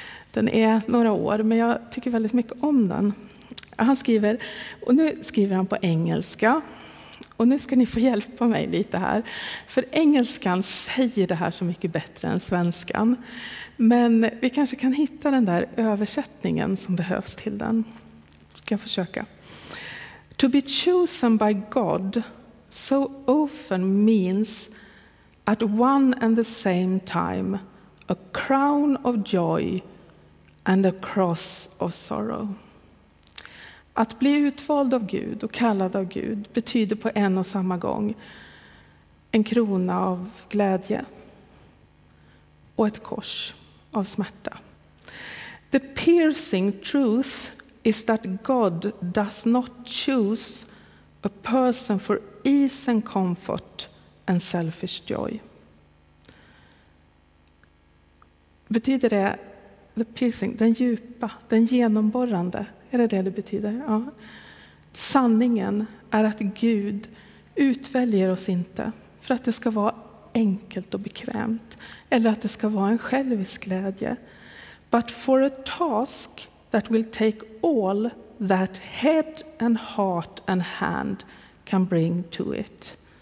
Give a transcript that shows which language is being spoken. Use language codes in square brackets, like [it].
[sv] Den är några år, men jag tycker väldigt mycket om den. Han skriver, och nu skriver han på engelska. Och nu ska ni få hjälpa mig lite här. För engelskan säger det här så mycket bättre än svenskan. Men vi kanske kan hitta den där översättningen som behövs till den. Ska jag försöka. [en] To be chosen by God so often means at one and the same time a crown of joy and a cross of sorrow. [sv] Att bli utvald av Gud och kallad av Gud betyder på en och samma gång en krona av glädje och ett kors av smärta. [en] The piercing truth is that God does not choose a person for ease and comfort and selfish joy. [sv] Betyder det [en] the piercing, [sv] den djupa, den genomborrande? Är det det betyder? Ja. Sanningen är att Gud utväljer oss inte för att det ska vara enkelt och bekvämt eller att det ska vara en självisk glädje. [en] But for a task that will take all that head and heart and hand can bring to it.